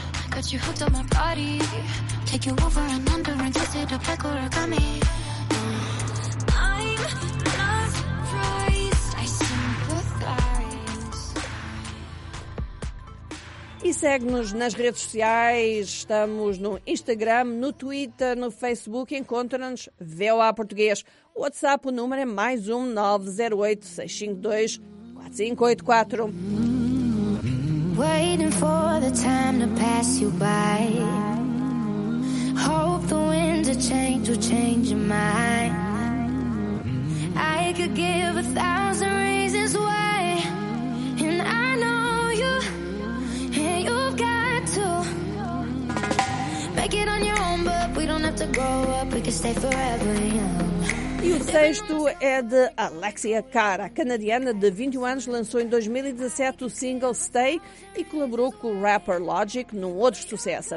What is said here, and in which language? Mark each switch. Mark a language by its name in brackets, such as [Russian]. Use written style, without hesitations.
[English] got you hooked on my body. Take you over and under and twist it up like origami. I'm not surprised, I sympathize. [Portuguese] E segue-nos nas redes sociais. Estamos no Instagram, no Twitter, no Facebook. Encontra-nos VOA Português. O WhatsApp, o número é mais 1-908-652-4584. [English] Waiting for the time to pass you by. Hope the winds of change will change your mind. I could give a thousand reasons why. And I know you, and you've got to make it on your own, but we don't have to grow up, we can stay forever young. [Portuguese] E o texto é de Alexia Cara, canadiana de 21 anos, lançou em 2017 o single Stay e colaborou com o rapper Logic num outro sucesso.